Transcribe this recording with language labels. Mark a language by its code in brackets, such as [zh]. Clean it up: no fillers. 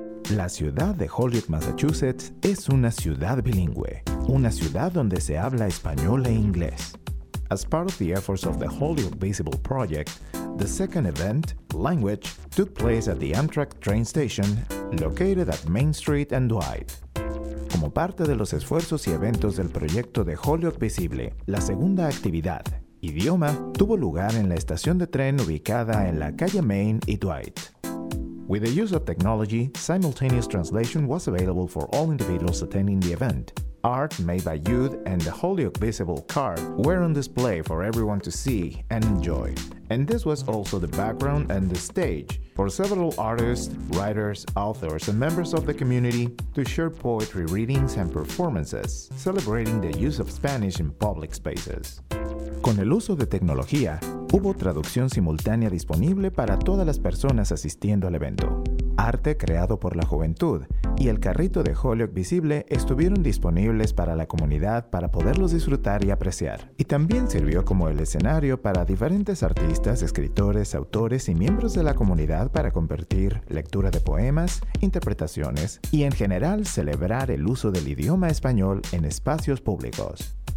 [es] La ciudad de Holyoke, Massachusetts es una ciudad bilingüe, una ciudad donde se habla español e inglés. [en] As part of the efforts of the Holyoke Visible project, the second event, Language, took place at the Amtrak train station located at Main Street and Dwight. [es] Como parte de los esfuerzos y eventos del proyecto de Holyoke Visible, la segunda actividad, Idioma, tuvo lugar en la estación de tren ubicada en la calle Main y Dwight. [en] With the use of technology, simultaneous translation was available for all individuals attending the event. Art made by youth and the Holyoke Visible card were on display for everyone to see and enjoy. And this was also the background and the stage for several artists, writers, authors, and members of the community to share poetry readings and performances, celebrating the use of Spanish in public spaces. [es] Con el uso de tecnología, hubo traducción simultánea disponible para todas las personas asistiendo al evento. Arte creado por la juventud y el carrito de Holyoke Visible estuvieron disponibles para la comunidad para poderlos disfrutar y apreciar. Y también sirvió como el escenario para diferentes artistas, escritores, autores y miembros de la comunidad para compartir lectura de poemas, interpretaciones y en general celebrar el uso del idioma español en espacios públicos.